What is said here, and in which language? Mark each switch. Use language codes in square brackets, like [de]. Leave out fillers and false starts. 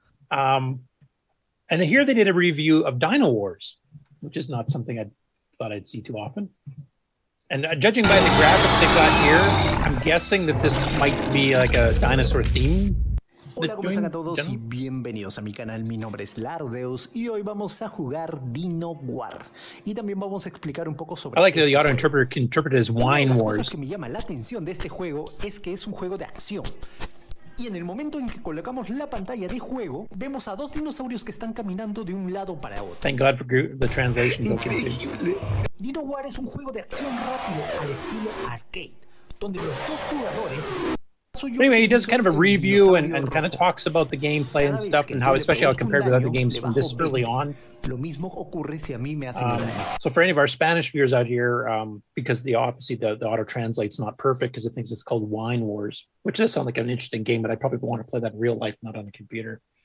[en] And here they did a review of Dino Wars, which is not something I thought I'd see too often. And judging by the graphics they got here, I'm guessing that this might be like a dinosaur theme. [es] Hola, ¿cómo están a todos? Y bienvenidos a mi canal. Mi nombre es Lardeus y hoy vamos a jugar Dino Wars. Y también vamos a explicar un poco sobre [en] I like the auto interpreter can interpret it as Wine Wars. [es] Lo que me llama la atención de este juego es que es un juego de acción. y en el momento en que colocamos la pantalla de juego, vemos a dos dinosaurios que están caminando de un lado para otro. [en] Thank God for the translation. [es] Increíble. Dino War es un juego de acción rápido al estilo arcade, donde los dos jugadores... [en] But anyway, he does kind of a review and kind of talks about the gameplay and stuff and how, especially how it compared with other games from this early on. So for any of our Spanish viewers out here, because the auto translate's not perfect because it thinks it's called Wine Wars, which does sound like an interesting game, but I probably want to play that in real life, not on the computer.